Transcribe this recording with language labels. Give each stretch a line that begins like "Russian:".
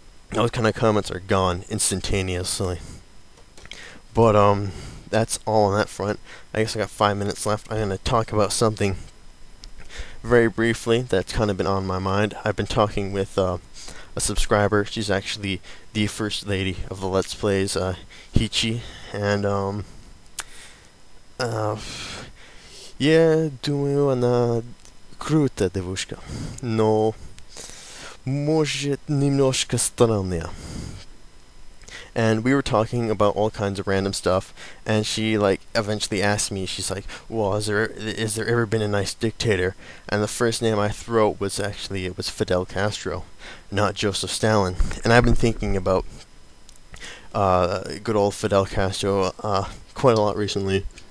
English: Those kind of comments are gone instantaneously. But that's all on that front. I guess I got 5 minutes left. I'm going to talk about something very briefly that's kind of been on my mind. I've been talking with a subscriber. She's actually the first lady of the Let's Plays, Hichi. And, yeah,
Russian: думаю, она крутая девушка, но может немножко странная.
English: And we were talking about all kinds of random stuff, and she, like, eventually asked me, she's like, well, is there ever been a nice dictator? And the first name I threw out was actually, it was Fidel Castro, not Joseph Stalin. And I've been thinking about good old Fidel Castro quite a lot recently.